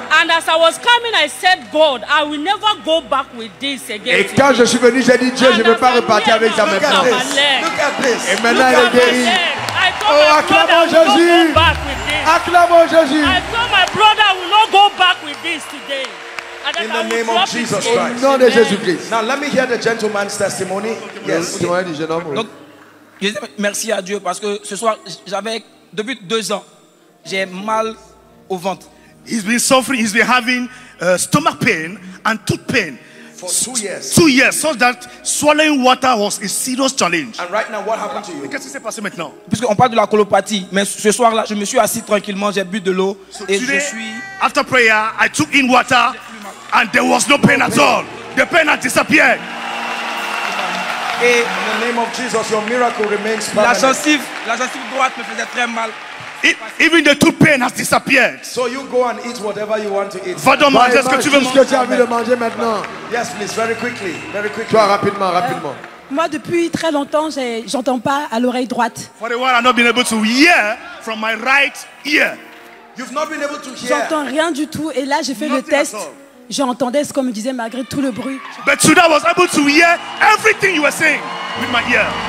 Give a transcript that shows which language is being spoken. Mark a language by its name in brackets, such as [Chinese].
[English] And as I was coming, I said, God, I will never go back with this again. [French] Et quand je suis venu, j'ai dit, Dieu, je ne veux pas repartir avec ça maintenant. [English] Look at this. Look at this. [French] Et maintenant, elle est guérie. Oh, acclamons Jésus. Acclamons Jésus. [English] I told my brother, I will not go back with this today. In the name of Jesus Christ. [French] Au nom de Jésus-Christ. [English] Now let me hear the gentleman's testimony. Yes. Okay. Donc, [French] je dis merci à Dieu parce que ce soir j'avais depuis 2 ans j'ai mal au ventre. [English] He's been suffering. He's been having stomach pain and tooth pain for 2 years. 2 years, so that swallowing water was a serious challenge. And right now, what happened to you? [French] Qu'est-ce qui s'est passé maintenant? Puisque on parle de la colopathie, mais ce soir-là, je me suis assis tranquillement, j'ai bu de l'eau et je suis. [English] After prayer, I took in water. And there was no pain at all. The pain had disappeared. In the name of Jesus, your miracle remains permanent. [French] La gencive droite me faisait très mal. [English] Even the tooth pain has disappeared. So you go and eat whatever you want to eat. [French] Va donc manger ce que tu veux manger. Ce que tu as envie de manger maintenant. [English] Yes, please, very quickly. Toi, [French] rapidement. Moi, depuis très longtemps, j'entends pas à l'oreille droite. [English] For a while, I've not been able to hear from my right ear. You've not been able to hear. [French] J'entends rien du tout. Et là, j'ai fait [English] Nothing [French] le test. J'entendais ce qu'on me disait malgré tout le bruit. [English] But today I was able to hear everything you were saying with my ear.